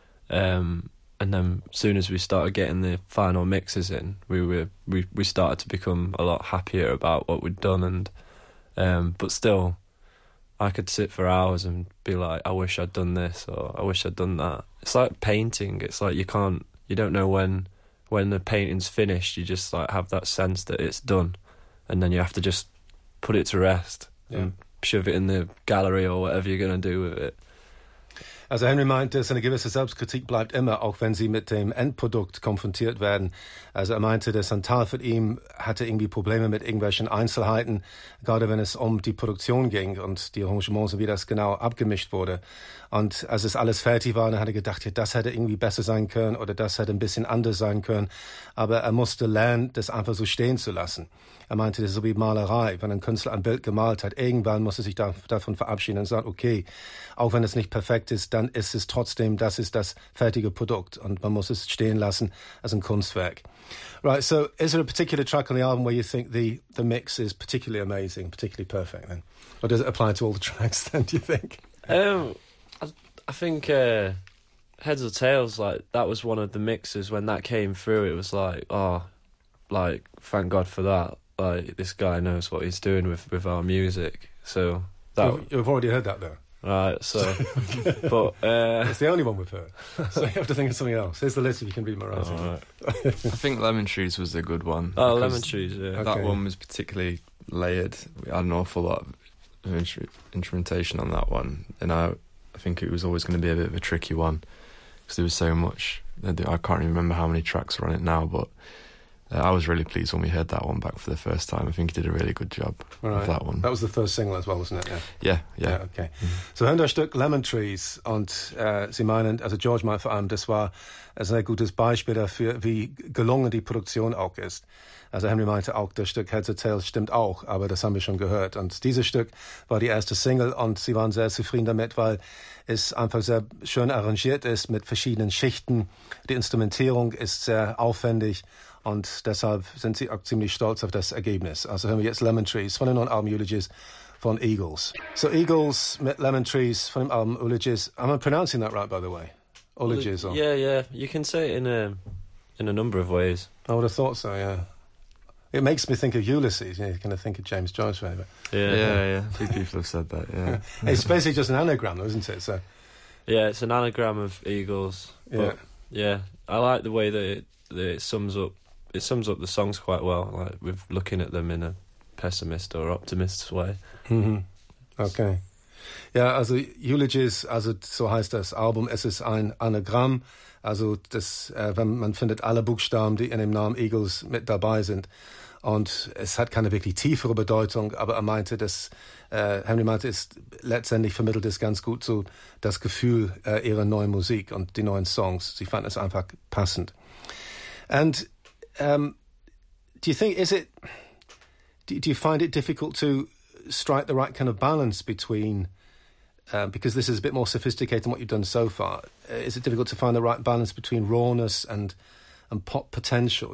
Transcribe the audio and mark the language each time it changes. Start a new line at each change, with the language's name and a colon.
English: then as soon as we started getting the final mixes in, we started to become a lot happier about what we'd done, and but still I could sit for hours and be like, I wish I'd done this, or I wish I'd done that. It's like painting. It's like you don't know when the painting's finished. You just like have that sense that it's done, and then you have to just put it to rest, yeah, and shove it in the gallery or whatever you're going to do with it.
German: Also Henry meint, dass eine gewisse Selbstkritik bleibt immer, auch wenn sie mit dem Endprodukt konfrontiert werden. Also er meinte, dass ein Teil von ihm hatte irgendwie Probleme mit irgendwelchen Einzelheiten, gerade wenn es um die Produktion ging und die Arrangements und wie das genau abgemischt wurde. Und als es alles fertig war, dann hat er gedacht, ja, das hätte irgendwie besser sein können oder das hätte ein bisschen anders sein können. Aber er musste lernen, das einfach so stehen zu lassen. Er meinte, das ist so wie Malerei. Wenn ein Künstler ein Bild gemalt hat, irgendwann muss er sich davon verabschieden und sagen, okay, auch wenn es nicht perfekt ist, dann ist es trotzdem, das ist das fertige Produkt und man muss es stehen lassen als ein Kunstwerk.
English: Right, so is there a particular track on the album where you think the mix is particularly amazing, particularly perfect then? Or does it apply to all the tracks then, do you think? I think Heads or Tails, like, that was one of the mixes. When that came through, it was like, oh, like, thank God for that. Like, this guy knows what he's doing with our music. So that you've already heard that, though? Right, so... but it's the only one we've heard, so you have to think of something else. Here's the list, if you can read my writing. All right. I think Lemon Trees was a good one. Oh, Lemon Trees, yeah. That okay. One was particularly layered. We had an awful lot of instrumentation on that one, and I think it was always going to be a bit of a tricky one, because there was so much. I can't remember how many tracks were on it now, but I was really pleased when we heard that one back for the first time. I think he did a really good job with that one. That was the first single as well, wasn't it? Yeah. Okay.
German: So hören das Stück Lemon Trees, und Sie meinen, also George meint vor allem, das war ein sehr gutes Beispiel dafür, wie gelungen die Produktion auch ist. Also Henry meinte auch, das Stück Heads or Tails stimmt auch, aber das haben wir schon gehört. Und dieses Stück war die erste Single, und Sie waren sehr zufrieden damit, weil es einfach sehr schön arrangiert ist mit verschiedenen Schichten. Die Instrumentierung ist sehr aufwendig, und deshalb sind Sie auch ziemlich stolz auf das Ergebnis. Also hören wir jetzt Lemon Trees von dem neuen Album Eulogies von Eagles. So Eagles mit Lemon Trees von dem Album Eulogies.
English: Am I pronouncing that right, by the way? Eulogies. Well, yeah. You can say it in a number of ways. I would have thought so, yeah. It makes me think of Ulysses. You kind of think of James Joyce, right? Yeah. A few people have said that, yeah. It's basically just an anagram, though, isn't it? So. Yeah, it's an anagram of Eagles. But, yeah. I like the way that it sums up the songs quite well, like with looking at them in a pessimist or optimist way. Mm-hmm. Okay.
German: Ja, also Eulogies, also so heißt das Album, es ist ein Anagramm, also das, wenn man findet alle Buchstaben, die in dem Namen Eagles mit dabei sind, und es hat keine wirklich tiefere Bedeutung, aber er meinte, dass Henry meinte, ist letztendlich vermittelt es ganz gut so das Gefühl ihrer neuen Musik und die neuen Songs. Sie fanden es einfach passend.
English: And do you find it difficult to strike the right kind of balance between because this is a bit more sophisticated than what you've done so far, is it difficult to find the right balance between rawness and pop potential?